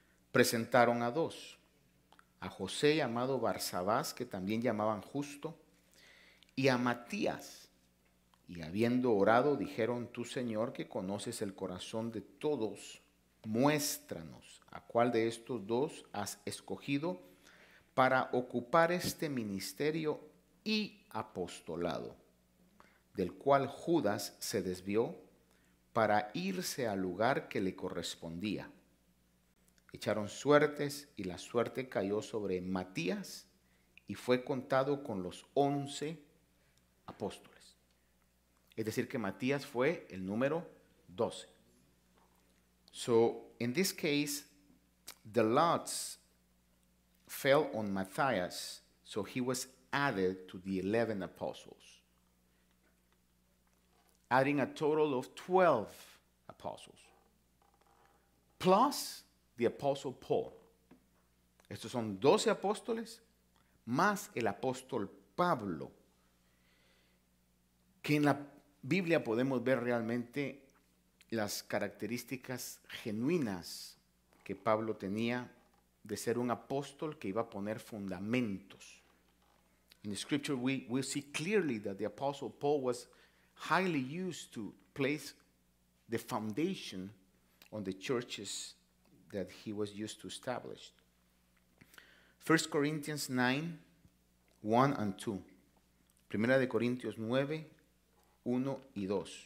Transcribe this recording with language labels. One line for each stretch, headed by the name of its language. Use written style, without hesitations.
Spanish: Presentaron a dos, a José llamado Barsabás, que también llamaban Justo, y a Matías, y habiendo orado, dijeron: Tú, Señor, que conoces el corazón de todos, muéstranos a cuál de estos dos has escogido para ocupar este ministerio y apostolado, del cual Judas se desvió para irse al lugar que le correspondía. Echaron suertes y la suerte cayó sobre Matías y fue contado con los 11 apóstoles. Es decir, que Matías fue el número 12.
English: So, in this case, the lots fell on Matthias, so he was added to the 11 apostles, adding a total of 12 apostles, plus the apostle Paul.
Spanish: Estos son 12 apóstoles, más el apóstol Pablo, que en la Biblia podemos ver realmente las características genuinas que Pablo tenía de ser un apóstol que iba a poner fundamentos.
English: In the scripture we see clearly that the apostle Paul was highly used to place the foundation on the churches that he was used to establish. 1 Corinthians 9, 1 and 2.
Spanish: Primera de Corintios 9, 1 y 2.